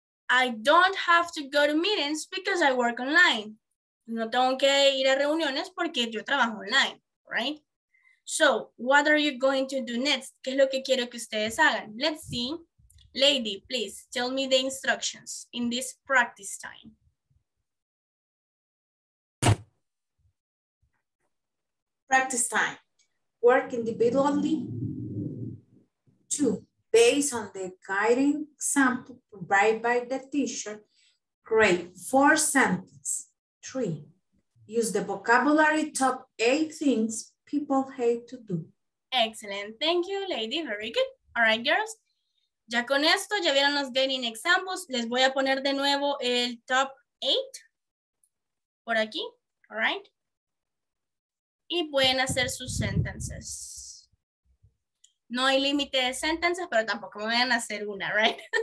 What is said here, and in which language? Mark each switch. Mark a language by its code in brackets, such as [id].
[en] I don't have to go to meetings because I work online. [es] No tengo que ir a reuniones porque yo trabajo online. [en] Right. So what are you going to do next? [es] ¿Qué es lo que quiero que ustedes hagan? [en] Let's see. Lady, please tell me the instructions in this practice time. Practice time. Work individually. Two, based on the guiding sample provided by the teacher, create four sentences. Three, use the vocabulary top eight things people hate to do. Excellent. Thank you, lady. Very good. All right, girls. [es] Ya con esto, ya vieron los guiding examples. Les voy a poner de nuevo el top eight por aquí. [en] All right. [es] Y pueden hacer sus sentences. No hay límite de sentences, pero tampoco me van a hacer una, [en] right?